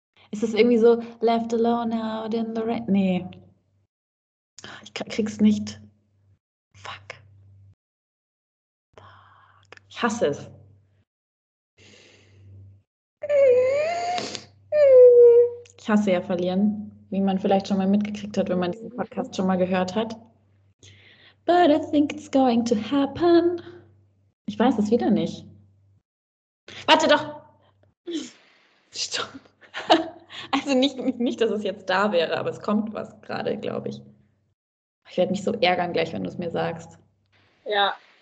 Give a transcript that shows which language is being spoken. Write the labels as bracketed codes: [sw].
[de] Ist es irgendwie so, [en] left alone out in the rain? [de] Nee. Ich krieg's nicht. Fuck. Ich hasse es. Ich hasse ja verlieren, wie man vielleicht schon mal mitgekriegt hat, wenn man diesen Podcast schon mal gehört hat. [en] But I think it's going to happen. [de] Ich weiß es wieder nicht. Warte doch! Stopp. Also nicht, dass es jetzt da wäre, aber es kommt was gerade, glaube ich. Ich werde mich so ärgern gleich, wenn du es mir sagst. Ja.